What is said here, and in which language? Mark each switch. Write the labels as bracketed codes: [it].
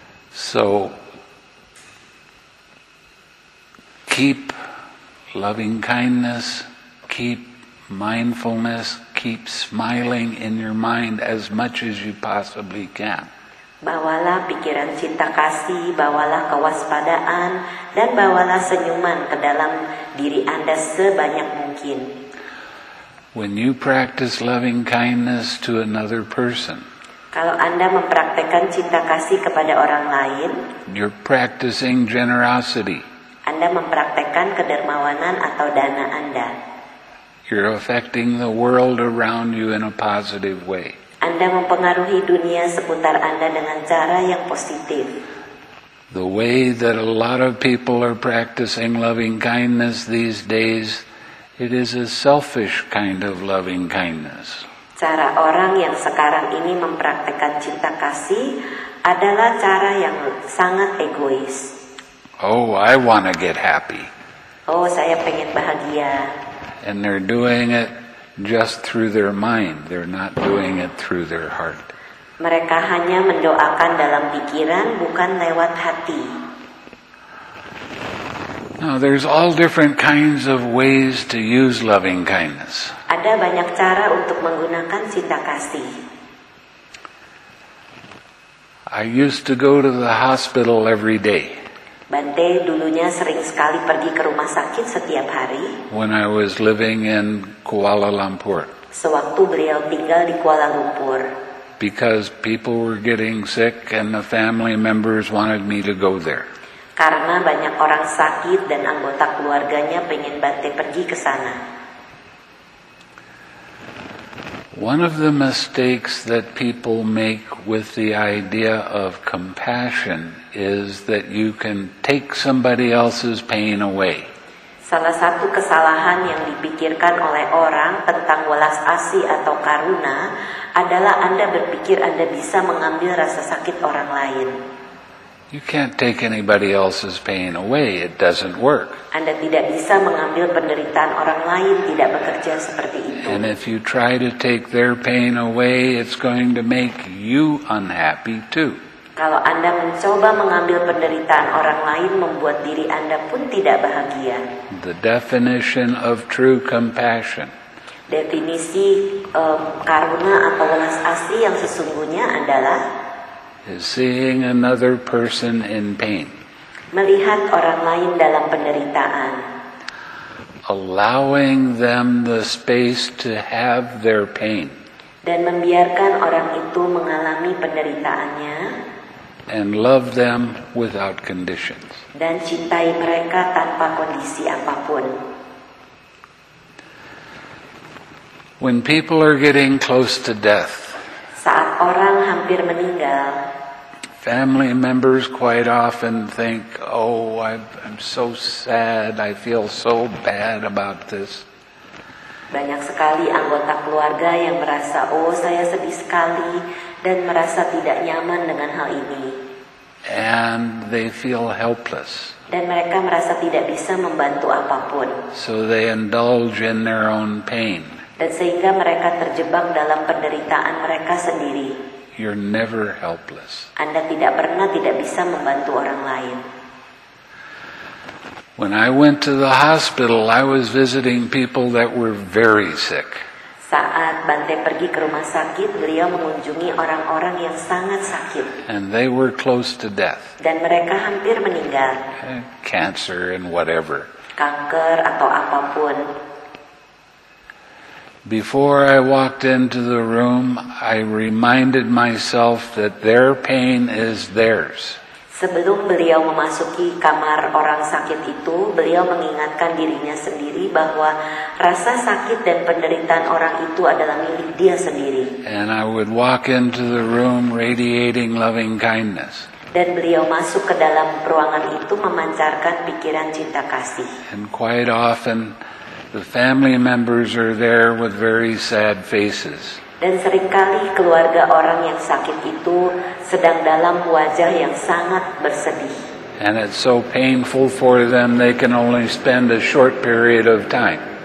[en] So, keep loving kindness, keep mindfulness, keep smiling in your mind as much as you possibly can. [id] Bawalah pikiran cinta kasih, bawalah kewaspadaan, dan bawalah senyuman ke dalam diri Anda sebanyak mungkin. [en] When you practice loving kindness to another person, [id] kalau Anda mempraktikkan cinta kasih kepada orang lain, [en] you're practicing generosity. [id] Anda mempraktikkan kedermawanan atau dana Anda. [en] You're affecting the world around you in a positive way. [id] Anda mempengaruhi dunia seputar Anda dengan cara yang positif. [en] The way that a lot of people are practicing loving kindness these days, it is a selfish kind of loving kindness. [id] Cara orang yang sekarang ini mempraktikkan cinta kasih adalah cara yang sangat egois. [en] Oh, I want to get happy. [id] Oh, saya pengen bahagia. [en] And they're doing it just through their mind. They're not doing it through their heart. [id] Mereka hanya mendoakan dalam pikiran, bukan lewat hati. [en] Now, there's all different kinds of ways to use loving kindness. [id] Ada banyak cara untuk menggunakan cinta kasih. [en] I used to go to the hospital every day. [id] Bante dulunya sering sekali pergi ke rumah sakit setiap hari. [en] When I was living in Kuala Lumpur. [id] Sewaktu beliau tinggal di Kuala Lumpur. [en] Because people were getting sick and the family members wanted me to go there. [id] Karena banyak orang sakit dan anggota keluarganya pengen Bante pergi ke sana. [en] One of the mistakes that people make with the idea of compassion is that you can take somebody else's pain away. [id] Salah satu kesalahan yang dipikirkan oleh orang tentang welas asih atau karuna adalah Anda berpikir Anda bisa mengambil rasa sakit orang lain. [en] You can't take anybody else's pain away. It doesn't work. [id] Anda tidak bisa mengambil penderitaan orang lain, tidak bekerja seperti itu. [en] And if you try to take their pain away, it's going to make you unhappy too. [id] Kalau Anda mencoba mengambil penderitaan orang lain, membuat diri Anda pun tidak bahagia. [en] The definition of true compassion. [id] Definisi karuna atau welas asih yang sesungguhnya adalah [en] is seeing another person in pain. [id] Melihat orang lain dalam penderitaan. [en] Allowing them the space to have their pain. [id] Dan membiarkan orang itu mengalami penderitaannya. [en] And love them without conditions. [id] Dan cintai mereka tanpa kondisi apapun. [en] When people are getting close to death. [id] Saat orang hampir meninggal. [en] Family members quite often think, oh, I'm so sad, I feel so bad about this. [id] Banyak sekali anggota keluarga yang merasa, oh, saya sedih sekali, dan merasa tidak nyaman dengan hal ini. [en] And they feel helpless. [id] Dan mereka merasa tidak bisa membantu apapun. [en] So they indulge in their own pain. [id] Dan sehingga mereka terjebak dalam penderitaan mereka sendiri. [en] You're never helpless. [id] Anda tidak pernah tidak bisa membantu orang lain. [en] When I went to the hospital, I was visiting people that were very sick. [id] Saat Bante pergi ke rumah sakit, beliau mengunjungi orang-orang yang sangat sakit. [en] And they were close to death. [id] Dan mereka hampir meninggal. [en] Cancer and whatever. [id] Kanker atau apapun. [en] Before I walked into the room, I reminded myself that their pain is theirs. [id] Sebelum beliau memasuki kamar orang sakit itu, beliau mengingatkan dirinya sendiri bahwa rasa sakit dan penderitaan orang itu adalah milik dia sendiri. [en] And I would walk into the room radiating loving kindness. [id] Dan beliau masuk ke dalam ruangan itu memancarkan pikiran cinta kasih. [en] And quite often the family members are there with very sad faces. [id] Dan seringkali keluarga orang yang sakit itu sedang dalam wajah yang sangat bersedih. [en] And it's so painful for them they can only spend a short period of time.